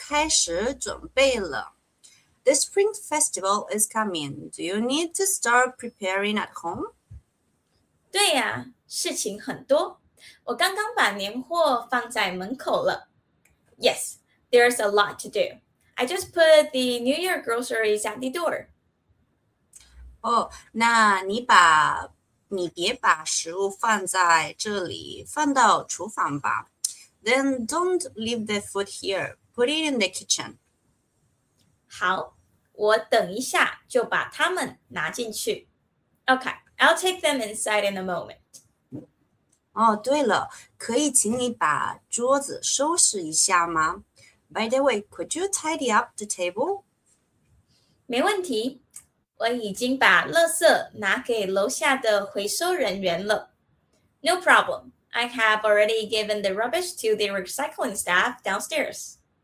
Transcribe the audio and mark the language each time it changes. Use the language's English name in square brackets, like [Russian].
[Chinese] 春节快到了，家里是不是开始准备了？ [English] The spring festival is coming. Do you need to start preparing at home? [Chinese] 对呀，事情很多。我刚刚把年货放在门口了。 [English] Yes, there's a lot to do. I just put the New Year groceries at the door. [Chinese] 哦，那你别把食物放在这里，放到厨房吧。 [English] Then don't leave the food here. Put it in the kitchen. [Chinese] 好，我等一下就把它们拿进去. [English] Okay, I'll take them inside in a moment. [Chinese] 哦，对了，可以请你把桌子收拾一下吗? [English] By the way, could you tidy up the table? [Chinese] 没问题，我已经把垃圾拿给楼下的回收人员了. [English] No problem. I have already given the rubbish to the recycling staff downstairs.